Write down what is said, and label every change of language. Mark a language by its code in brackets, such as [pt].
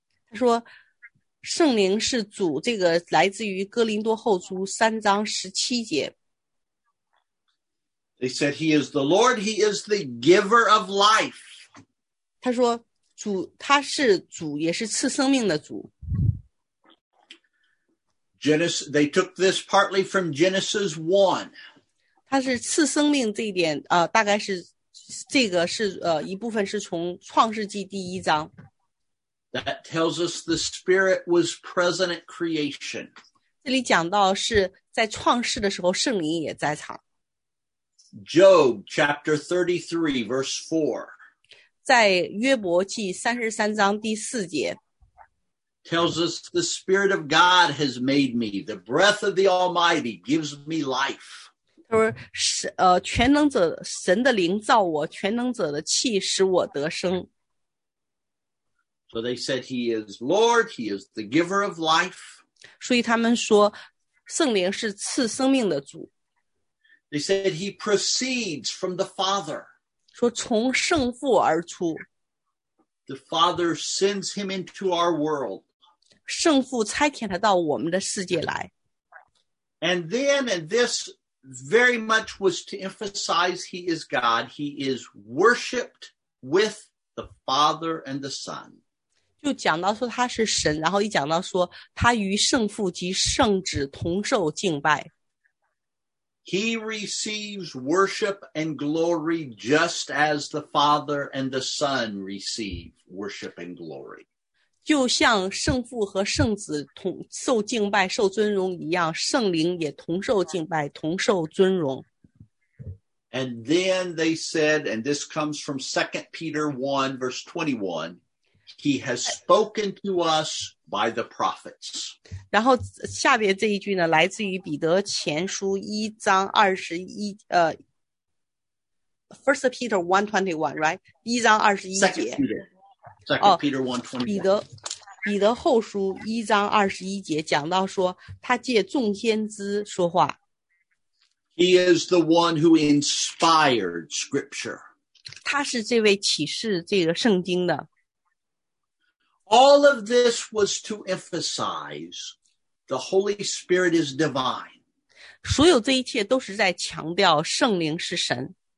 [zh] 他说圣灵是主，这个来自于哥林多后书3:17. [en] They said he is the Lord, he is the giver of life. [zh] 他说主，他是主，也是赐生命的主。 [en] They took this partly from Genesis 1. [zh] 它是赐生命这一点，大概是这个是一部分是从创世纪第一章。 [en] That tells us the Spirit was present at creation. [zh] 这里讲到是在创世的时候圣灵也在场。 [en] Job chapter 33 verse 4. [zh] 在约伯记33章第四节。 [en] Tells us the Spirit of God has made me. The breath of the Almighty gives me life. [zh] 他说全能者神的灵造我全能者的气使我得生。 [en] So they said he is Lord, he is the giver of life. [zh] 所以他们说圣灵是赐生命的主。 [en] They said he proceeds from the Father. [zh] 说从圣父而出。 [en] The Father sends him into our world. [zh] 圣父差遣他到我们的世界来。 [en] And then, and this very much was to emphasize he is God, he is worshipped with the Father and the Son. [zh] 就讲到说他是神，然后一讲到说他与圣父及圣子同受敬拜。 [en] He receives worship and glory just as the Father and the Son receive worship and glory. [zh] 就像圣父和圣子同受敬拜、受尊荣一样，圣灵也同受敬拜、同受尊荣。 [en] And then they said, and this comes from 2 Peter 1, verse 21,He has spoken to us by the prophets. [zh] 然后下面这一句呢，来自于彼得前书一章二十一 [en] First Peter 1:21, right? [zh] 一章二十一节。 [en] Second Peter 1:21. [zh] 彼得后书一章二十一节讲到说，他借众先知说话。 [en] He is the one who inspired Scripture. [zh] 他是这位启示这个圣经的。 [en] All of this was to emphasize the Holy Spirit is divine. [zh] 所有这一切都是在强调圣灵是神。